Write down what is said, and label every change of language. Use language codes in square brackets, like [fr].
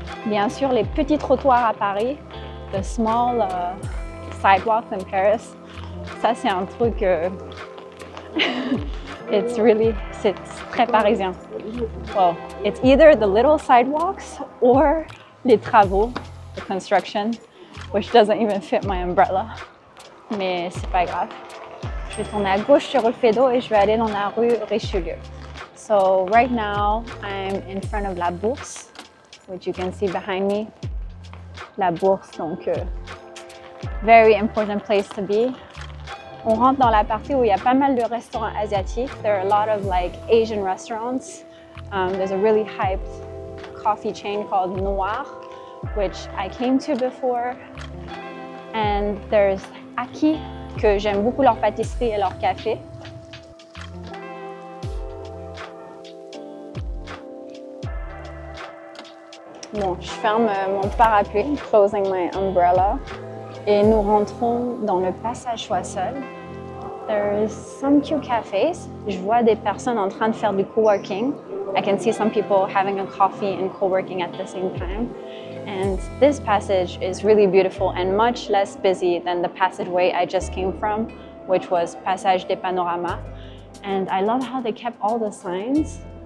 [fr] Bien sûr, les petits trottoirs à Paris, [en] the small sidewalks in Paris, [fr] ça c'est un truc, [en] it's really, [fr] c'est très parisien. [en] Well, it's either the little sidewalks or [fr] les travaux, [en] the construction, which doesn't even fit my umbrella. [fr] Mais c'est pas grave. Je vais tourner à gauche sur le Feydeau et je vais aller dans la rue Richelieu. [en] So right now, I'm in front of La Bourse, which you can see behind me. La Bourse, donc, very important place to be. [fr] On rentre dans la partie où il y a pas mal de restaurants asiatiques. [en] There are a lot of like Asian restaurants. There's a really hyped coffee chain called Noir, which I came to before. And there's Aki, [fr] que j'aime beaucoup leur pâtisserie et leur café. Bon, je ferme mon parapluie, [en] closing my umbrella, [fr] et nous rentrons dans le passage Choiseul. [en] There's some cute cafes. [fr] Je vois des personnes en train de faire du co-working. [en] I can see some people having a coffee and co-working at the same time. And this passage is really beautiful and much less busy than the passageway I just came from, which was Passage des Panoramas. And I love how they kept all the signs.